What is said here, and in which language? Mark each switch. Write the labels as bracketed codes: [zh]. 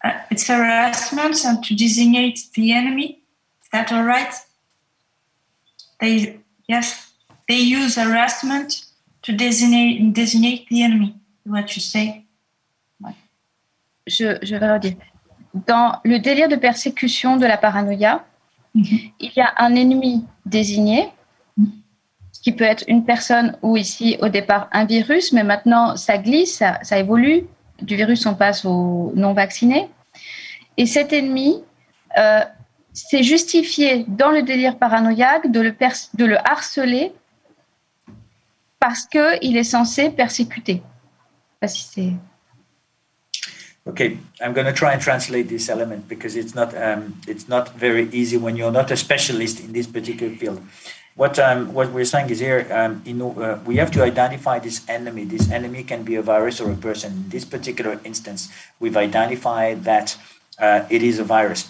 [en] It's harassment and to designate the enemy. Is that all right? They use harassment to designate the enemy. What you say? [fr] Je vais redire. Dans le délire de persécution de la paranoïa, il y a un ennemi désigné, qui peut être une personne ou ici au départ un virus, mais maintenant ça glisse, ça évolue. Du virus, on passe au non-vacciné. Et cet ennemi s'est justifié dans le délire paranoïaque de le harceler parce qu'il est censé persécuter. Pas si c'est... [en] Okay, I'm going to try and translate this element because it's not very easy when you're not a specialist in this particular field. What we're saying is here, we have to identify this enemy. This enemy can be a virus or a person. In this particular instance, we've identified that it is a virus.